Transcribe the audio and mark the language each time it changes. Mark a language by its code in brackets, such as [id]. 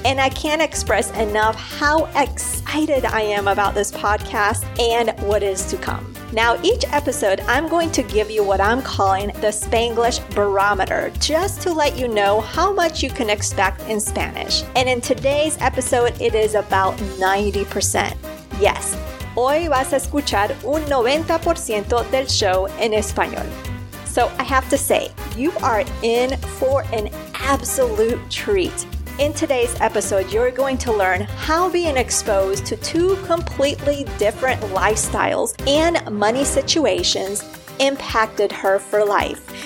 [en] And I can't express enough how excited I am about this podcast and what is to come. Now, each episode, I'm going to give you what I'm calling the Spanglish barometer, just to let you know how much you can expect in Spanish. And in today's episode, it is about 90%. [es] Yes, hoy vas a escuchar un 90% del show en español. [en] So I have to say, you are in for an absolute treat. In today's episode, you're going to learn how being exposed to two completely different lifestyles and money situations impacted her for life.